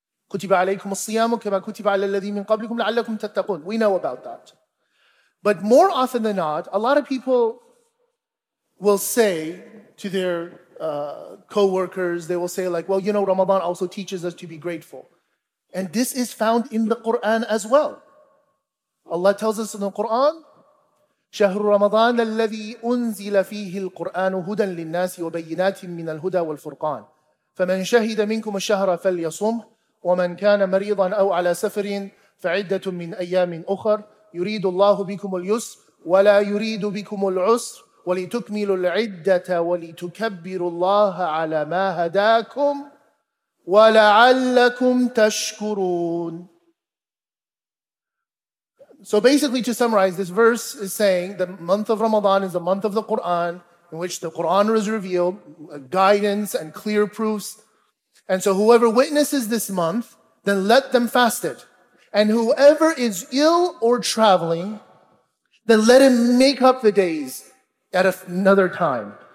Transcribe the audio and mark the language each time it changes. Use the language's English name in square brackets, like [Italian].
[Arabic] كُتِبَ عَلَيْكُمُ الصِّيَامُ كَمَا كُتِبَ عَلَى الَّذِينَ مِنْ قَبْلِكُمْ لَعَلَّكُمْ تَتَّقُونَ. [English] We know about that. But more often than not, a lot of people will say to their co-workers, they will say like, well, you know, Ramadan also teaches us to be grateful. And this is found in the Quran as well. Allah tells us in the Quran, [Arabic] شَهْرُ رَمَضَانَ الَّذِي أُنزِلَ فِيهِ الْقُرْآنُ هُدًى لِلنَّاسِ وَبَيِّنَاتٍ مِّنَ الْهُدَى وَالْفُرْقَانِ فَمَنْ شَهِدَ مِنْكُمَ الشَّهْرَ فَلْيَصُمْهُ وَمَنْ كَانَ مَرِيضًا أَوْ عَلَى سَفَرٍ فَعِدَّةٌ مِّنْ أَيَّامٍ أُخَرٍ يريد الله بكم اليسر ولا يريد بكم العسر ولتكملوا العدة ولتكبروا الله على ما هداكم ولعلكم تشكرون. [English] So basically, to summarize, this verse is saying the month of Ramadan is the month of the Quran, in which the Quran is revealed, guidance and clear proofs. And so whoever witnesses this month, then let them fast it. And whoever is ill or traveling, then let him make up the days at another time.